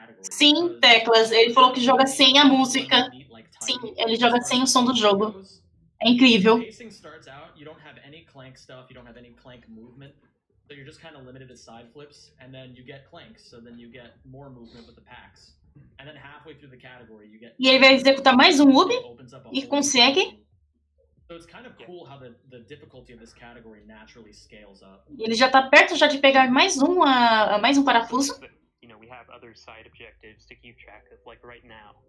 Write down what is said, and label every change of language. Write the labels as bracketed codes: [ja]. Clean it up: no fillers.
[pt] Sim, Teclas, ele falou que joga sem a música. Sim, ele joga sem o som do jogo. É incrível. [en] O pacing starts out, you don't have any clank stuff, you don't have any clank movement. So you're just kind of limited to side flips, and then you get clanks, so then you get more movement with the packs. And then halfway through the category, you get. [pt] E ele vai executar mais um loop e consegue. [en] So it's kind of cool how the difficulty of this category naturally scales up. [pt] Ele já tá perto já de pegar mais um parafuso. [en] You know, we have other side objectives to keep track of, like right now.